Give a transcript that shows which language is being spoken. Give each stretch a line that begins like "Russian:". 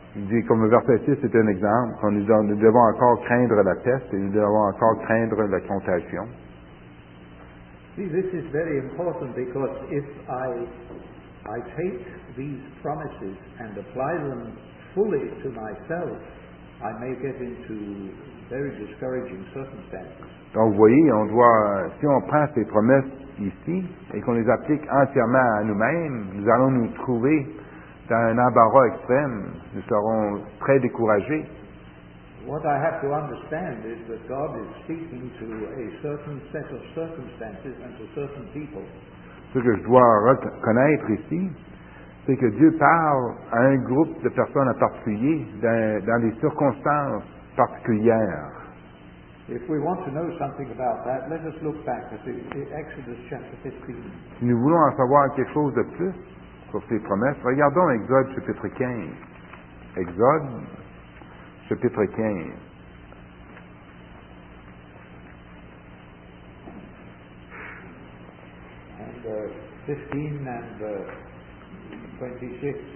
French: Il dit comme verset 6 est un exemple, nous devons encore craindre la peste et nous devons encore craindre la contagion.
English: See, this is very important because if I take these promises and apply them fully to myself, I may get into very discouraging circumstances.
French: Donc, vous voyez, on doit, si on prend ces promesses ici et qu'on les applique entièrement à nous-mêmes, nous allons nous trouver dans un embarras extrême. Nous serons très découragés.
English: What I have to understand is that God is speaking to a certain set of circumstances and to certain people.
French: Ce que je dois reconnaître ici, c'est que Dieu parle à un groupe de personnes en particulier dans des circonstances particulières.
English: If we want to know something about that, let us look back at Exodus chapter 15.
French: Si nous voulons en savoir quelque chose de plus sur ces promesses, regardons Exode chapitre 15. Exode chapitre 15.
English: And 15 and 26.